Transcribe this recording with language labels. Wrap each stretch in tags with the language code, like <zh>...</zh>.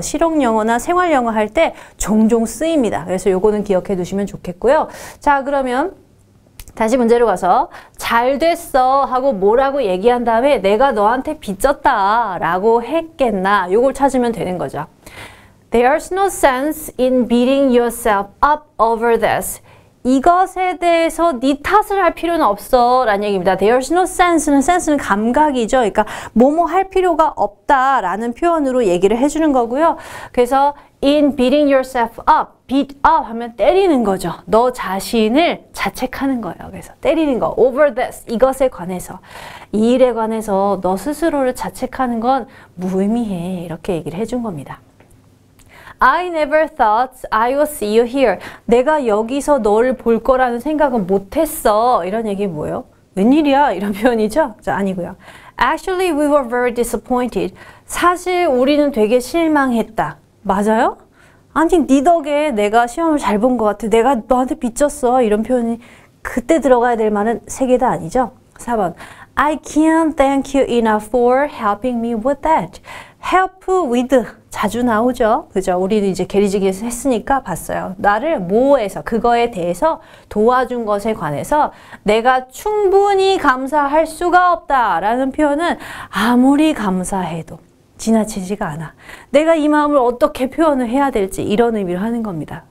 <ko>실용영어나 생활영어 할 때 종종 쓰입니다. 그래서 요거는 기억해 두시면 좋겠고요. 자 그러면 다시 문제로 가서 잘 됐어 하고 뭐라고 얘기한 다음에 내가 너한테 빚졌다 라고 했겠나 요걸 찾으면 되는 거죠.</ko> <en>There's no sense in beating yourself up over this.</en> <ko>이것에 대해서 네 탓을 할 필요는 없어 라는 얘기입니다.</ko> <en>There's no sense</en> <ko>는 sense는 감각이죠. 그러니까 뭐뭐 할 필요가 없다 라는 표현으로 얘기를 해주는 거고요. 그래서</ko> <en>in beating yourself up, beat up</en> <ko>하면 때리는 거죠. 너 자신을 자책하는 거예요. 그래서 때리는 거,</ko> <en>over this,</en> <ko>이것에 관해서. 이 일에 관해서 너 스스로를 자책하는 건 무의미해 이렇게 얘기를 해준 겁니다.</ko> <en>I never thought I would see you here.</en> <ko>내가 여기서 너를 볼 거라는 생각은 못했어. 이런 얘기 뭐예요? 웬일이야? 이런 표현이죠? 자, 아니고요.</ko> <en>Actually, we were very disappointed.</en> <ko>사실 우리는 되게 실망했다. 맞아요? 아니, 네 덕에 내가 시험을 잘 본 것 같아. 내가 너한테 빚졌어. 이런 표현이 그때 들어가야 될 말은 세 개다 아니죠? 4번.</ko> <en>I can't thank you enough for helping me with that. Help with.</en> <ko>자주 나오죠. 그죠? 우리는 이제 게리지기에서 했으니까 봤어요. 나를 뭐해서 그거에 대해서 도와준 것에 관해서 내가 충분히 감사할 수가 없다라는 표현은 아무리 감사해도 지나치지가 않아. 내가 이 마음을 어떻게 표현을 해야 될지 이런 의미로 하는 겁니다.</ko>